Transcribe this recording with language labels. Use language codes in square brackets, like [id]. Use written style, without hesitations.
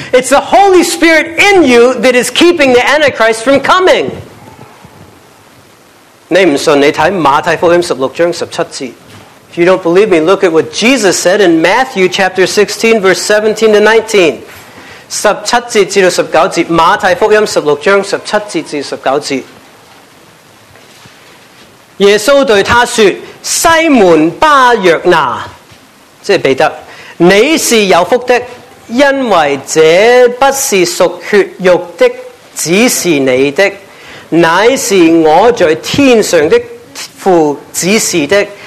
[en] It's the Holy Spirit in you that is keeping the Antichrist from coming. [zh] 你不信，你看馬太福音16章17節。 [en] If you don't believe me, look at what Jesus said in Matthew chapter 16, verse 17 to 19. [zh] 17節至19節，馬太福音16章17節至19節。耶穌對他說：西門巴約拿，即是彼得，你是有福的，因為這不是屬血肉的指示你的，乃是我在天上的父指示的。